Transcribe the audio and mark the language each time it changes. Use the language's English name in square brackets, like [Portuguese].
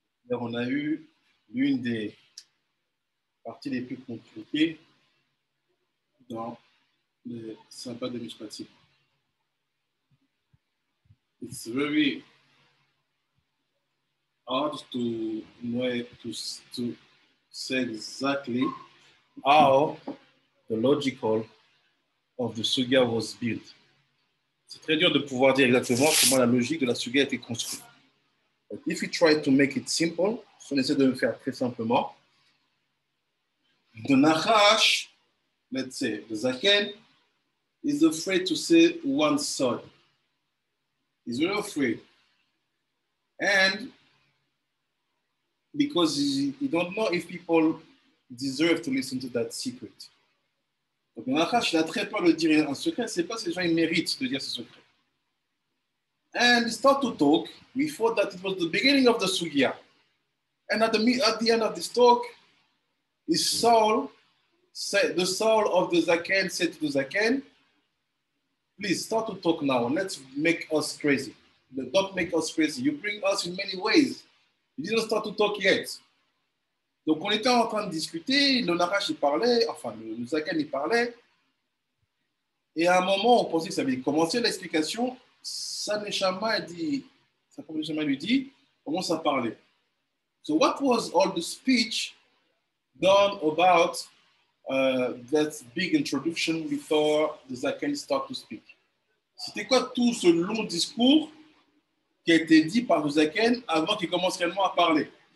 [French] On a eu l'une des parties les plus compliquées dans le sympa de Mishpatim. [English] It's very hard to know to say exactly how the logical of the sugya was built. [French] C'est très dur de pouvoir dire exactement comment la logique de la sugya a été construite. [English] If you try to make it simple, [French] si on essaie de le faire très simplement, [English] Nahash, let's say, the Zaken, is afraid to say one sod. He's very afraid. And because he don't know if people deserve to listen to that secret. [French] Donc Nahash, il a très peur de dire un secret, c'est pas si les gens méritent de dire ce secret. [English] And he start to talk. We thought that it was the beginning of the sugya. And at the end of this talk, his soul said, the soul of the Zaken said to the Zaken, please start to talk now. Let's make us crazy. Don't make us crazy. You bring us in many ways. You didn't start to talk yet. [French] Donc on était en train de discuter, le Nahash il parlait, enfin le Zaken il parlait. Et à un moment, on pensait que ça avait commencé l'explication. Sa Neshama dit, sa propre Neshama lui dit, commence à parler. [English] So, what was all the speech done about that big introduction before the Zaken start to speak? [French] C'était quoi tout ce long discours qui a été dit par le Zaken avant qu'il commence réellement à parler?